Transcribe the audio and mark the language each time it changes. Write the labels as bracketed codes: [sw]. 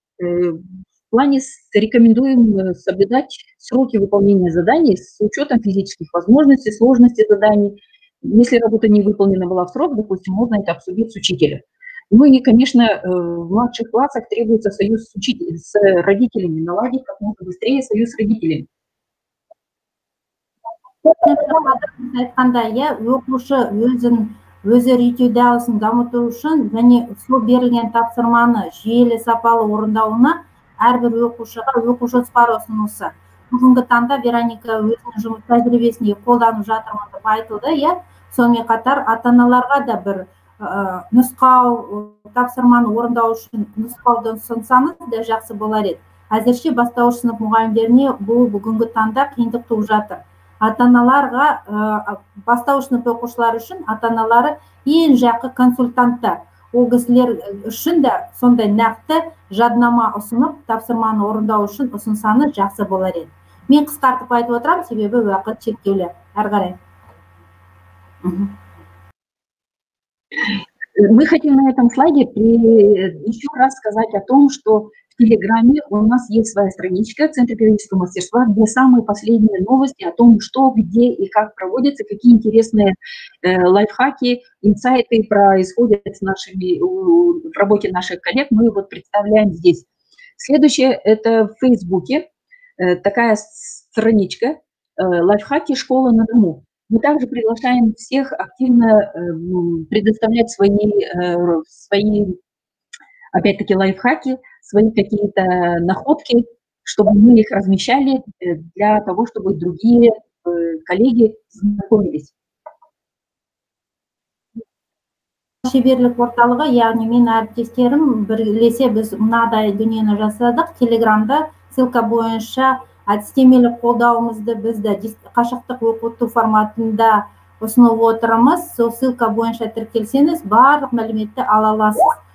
[ru] В плане рекомендуем соблюдать сроки выполнения заданий с учетом физических возможностей, сложности заданий. Если работа не выполнена была в срок, допустим, можно это обсудить с учителем. Ну и, конечно, в младших классах требуется союз с учителем, с родителями, наладить как можно быстрее союз с родителями. [kk] Я оқушы өзін, өзі ретуде алысын дамыту үшін, және сол берілген тапсырманы жүйелі сапалы орындауына әрбір оқушыға оқушы жоспары ұсынылса. Бүгінгі таңда Вероника өзінің жұмыс тәжірибесіне қолданып жатырмын деп айтылды, иә? Сонымен қатар ата-аналарға да бір нұсқау тапсырманы орындау үшін нұсқауды ұсынсаңыз да жақсы болар еді. Әзірше бастауыш сынып мұғалімдеріне бұл бүгінгі таңда қиындық туып жатыр. Ата-аналарға бастауыш сынып оқушылары үшін ата-аналары ең жақын консультанттар. Ол кісілер үшін де сондай нақты жаднама ұсынып, тапсырманы орындау үшін ұсынсаны жақсы болар еді. Мен қысқартып айтып отырам, себебі уақыт шектеулі. Әрі қарай. [ru] Мы хотим на этом слайде еще раз сказать о том, что в Телеграме у нас есть своя страничка «Центр педагогического мастерства», где самые последние новости о том, что, где и как проводится, какие интересные лайфхаки, инсайты происходят с нашими, в работе наших коллег, мы вот представляем здесь. Следующее – это в Фейсбуке такая страничка «Лайфхаки школы на дому». Мы также приглашаем всех активно предоставлять свои, опять-таки, лайфхаки, свои какие-то находки, чтобы мы их размещали для того, чтобы другие коллеги знакомились. [kk] Шеберлік орталығы, яғни мен әріптестерім, бірлесе біз мынадай дүниені жасадық, Телеграмда ссылка бойынша әдістемелік қолдауымызды бізді қашықтық оқыту форматында ұсынып отырамыз. Сол ссылка бойынша тіркелсеңіз, барлық мәліметті ала аласыз.